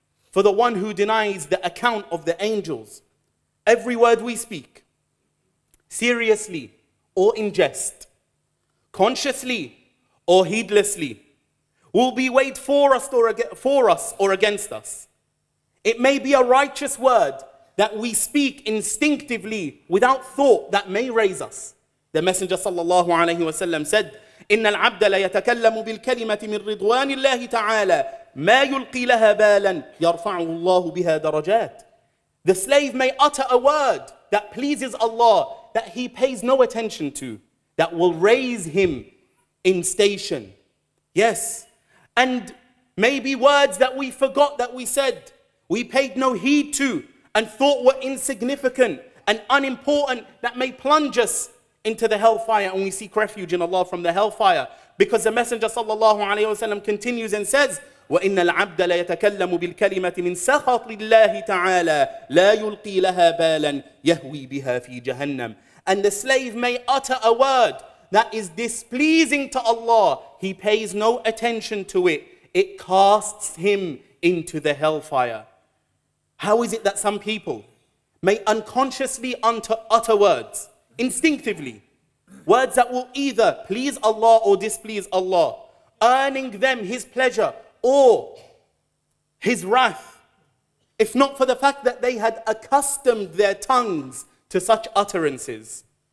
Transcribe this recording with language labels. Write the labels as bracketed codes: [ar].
[en] For the one who denies the account of the angels. Every word we speak, seriously or in jest, consciously or heedlessly, will be weighed for us or against us. It may be a righteous word that we speak instinctively without thought that may raise us. The Messenger sallallahu alayhi wa sallam said, [ar] إن العبد لا يتكلم بالكلمة من رضوان الله تعالى ما يلقي لها بالا يرفع الله بها درجات. [en] The slave may utter a word that pleases Allah that he pays no attention to, that will raise him in station. Yes, and maybe words that we forgot that we said, we paid no heed to, and thought were insignificant and unimportant, that may plunge us into the hellfire, and we seek refuge in Allah from the hellfire. Because the Messenger sallallahu alayhi wa sallam continues and says, [ar] وَإِنَّ الْعَبْدَ لَيَتَكَلَّمُ بِالْكَلِمَةِ مِنْ سَخَطِ اللَّهِ تَعَالَى لَا يُلْقِي لَهَا بَالًا يَهْوِي بِهَا فِي جَهَنَّمُ. [en] And the slave may utter a word that is displeasing to Allah. He pays no attention to it. It casts him into the hellfire. How is it that some people may unconsciously utter words, instinctively, words that will either please Allah or displease Allah, earning them his pleasure or his wrath, if not for the fact that they had accustomed their tongues to such utterances?